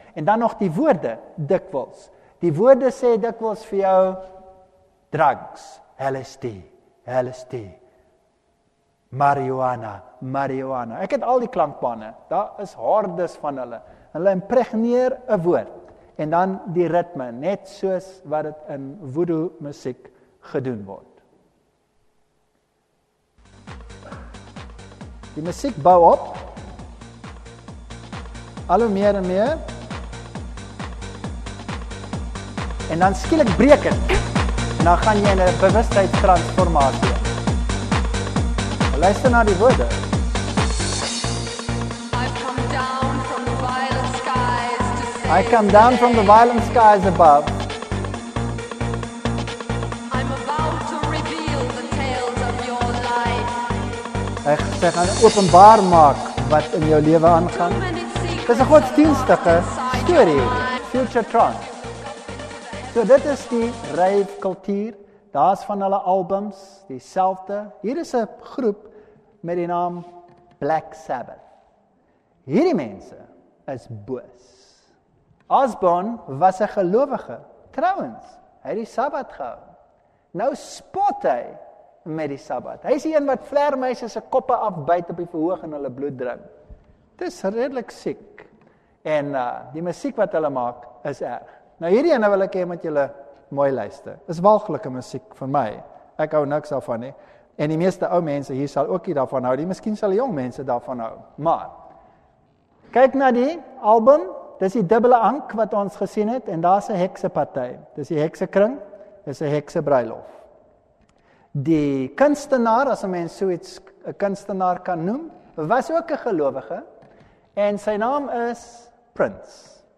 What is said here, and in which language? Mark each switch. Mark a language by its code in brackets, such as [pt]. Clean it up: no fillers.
[af] En dan nog die woorde, dikwels. Die woorde sê dikwels vir jou drugs, LSD, marihuana. Ek het al die klankbane, daar is hordes van hulle. Hulle impregneer 'n woord en dan die ritme, net soos wat het in voodoo musiek gedoen word. Die musiek bou op, al hoe meer en meer. En dan skielik breek het. En dan gaan jy in 'n bewustheidstransformasie. Luister na die woorde. [en] I come down from the violent skies above. I'm about to reveal the tales of your life. [af] Ek sê gaan openbaar maak wat in jou lewe aangaan. Dis 'n godsdienstige storie. Future trance. So dit is die rave kultuur, daar is van hulle albums, die selfde. Hier is 'n groep met die naam Black Sabbath. Hierdie mense is boos. Osborne was 'n gelowige, trouwens, Hy het die Sabbat gehou. Nou spot hy met die Sabbat. Hy is die een wat vleermuise se koppe afbyt op die verhoog en hulle bloed drink. Dis redelik siek. En die musiek wat hulle maak is erg. Nou hierdie ene wil ek hê met julle mooi luister. Dis walglike musiek vir my. Ek hou niks daarvan nie. En die meeste ou mense hier sal ook nie daarvan hou nie. Miskien sal die jong mense daarvan hou. Maar kyk na die album. Dis die dubbele ank wat ons gesien het en daar's 'n heksepartyt. Dis die heksekring. Dis 'n heksebruilof. Die kunstenaar, as 'n mens so iets 'n kunstenaar kan noem, was ook 'n gelowige en sy naam is Prince.